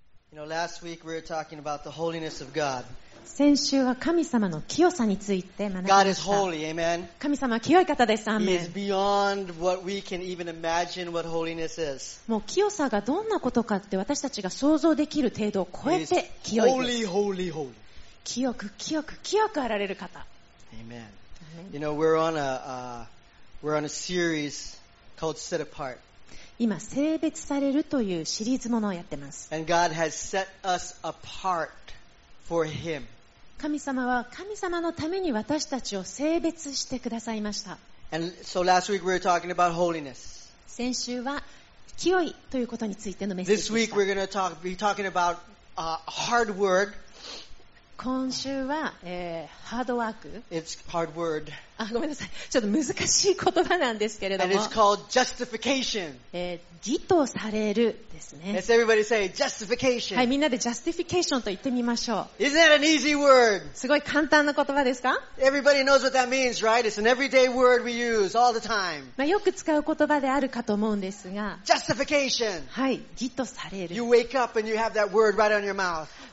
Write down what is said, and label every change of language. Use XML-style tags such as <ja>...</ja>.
<en>You know, last week we were talking about the holiness of God.</en> <ja>先週は神様の清さについて学びました。</ja> <en>God is holy, amen.</en> <ja>神様は清い方です。</ja> <en>He is beyond what we can even imagine what holiness is.</en> <ja>もう清さがどんなことかって私たちが想像できる程度を超えて清いです。</ja> <en>Holy, holy, holy.</en> <ja>清く清く清くあられる方。</ja> <en>Amen. You know, we're on a series called Set Apart.</en> <ja>今聖別されるというシリーズものをやってます。</ja> <en>And God has set us apart for Him.</en> <ja>神様は神様のために私たちを聖別してくださいました。</ja> <en>And so last week we were talking about holiness.</en> <ja>先週は清いということについてのメッセージでした。</ja> <en>This week we're going to be talking about hard work.</en> <ja>今週は、ハードワーク。</ja> <en>It's hard word.</en> <ja>あ、ごめんなさい。ちょっと難しい言葉なんですけれども。</ja> <en>And it's called justification.</en> <ja>義とされるですね。</ja> <en>Let's everybody say justification.</en> <ja>はい、みんなで justification と言ってみましょう。</ja> <en>Isn't that an easy word?</en> <ja>すごい簡単な言葉ですか?</ja> <en>Everybody knows what that means, right? It's an everyday word we use all the time.</en> <ja>まあ、よく使う言葉であるかと思うんですが。</ja> <en>Justification.</en> <ja>はい、義とされる。</ja> <en>You wake up and you have that word right on your mouth.</en>